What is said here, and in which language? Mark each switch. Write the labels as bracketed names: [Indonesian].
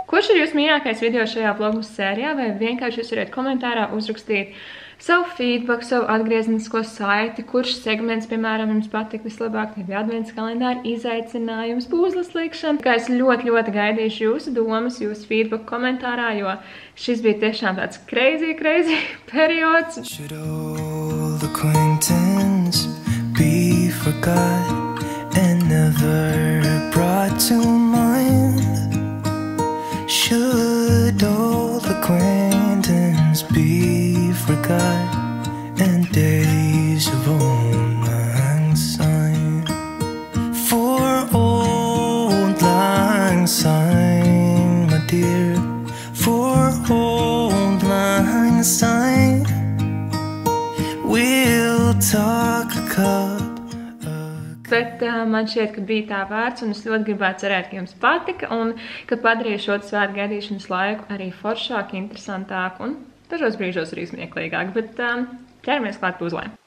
[Latvian] Kurš ir jūs mīļākais video šajā vlogmas sērijā, vai vienkārši jūs varētu komentārā uzrakstīt savu feedback, savu atgrieznisko saiti, kurš segments, piemēram, jums patika vislabāk, tie bija advents kalendāri, izaicinājums, puzles likšana. Kā es ļoti, ļoti gaidīšu jūsu domas, jūsu feedback komentārā, jo šis bija tiešām tāds [English] crazy, crazy [Latvian] periods. [English] Should all acquaintance be forgot and never brought to mind? Should all acquaintance be forgot and days of old lang syne? For old lang syne, my dear, for old lang syne, we'll talk a cup of... [Latvian] Bet man šķiet, ka bija tā vārds, un es ļoti gribētu cerēt, ka jums patika, un ka padarīju šo svētu gaidīšanas laiku arī foršāk, interesantāk, un... Dažos brīžos arī smieklīgāk, bet ķeramies klāt puzlē.